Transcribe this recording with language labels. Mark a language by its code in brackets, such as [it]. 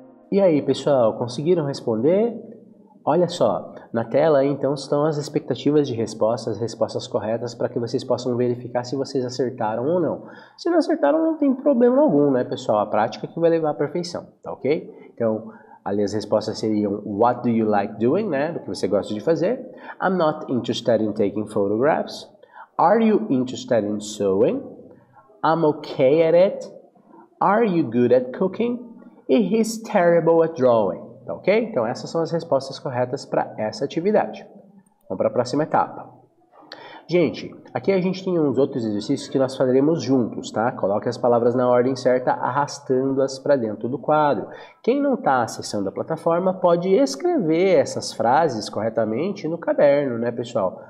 [pt] E aí, pessoal, conseguiram responder? Olha só, na tela então estão as expectativas de resposta, as respostas corretas, para que vocês possam verificar se vocês acertaram ou não. Se não acertaram, não tem problema algum, né, pessoal? A prática que vai levar à perfeição, tá ok? Então, ali as respostas seriam: [en] What do you like doing, [pt] né? Do que você gosta de fazer. [en] I'm not interested in taking photographs. Are you interested in sewing? I'm okay at it. Are you good at cooking? E he's terrible at drawing, tá ok? [pt] Então essas são as respostas corretas para essa atividade. Vamos para a próxima etapa. Gente, aqui a gente tem uns outros exercícios que nós faremos juntos, tá? Coloque as palavras na ordem certa, arrastando-as para dentro do quadro. Quem não está acessando a plataforma pode escrever essas frases corretamente no caderno, né, pessoal?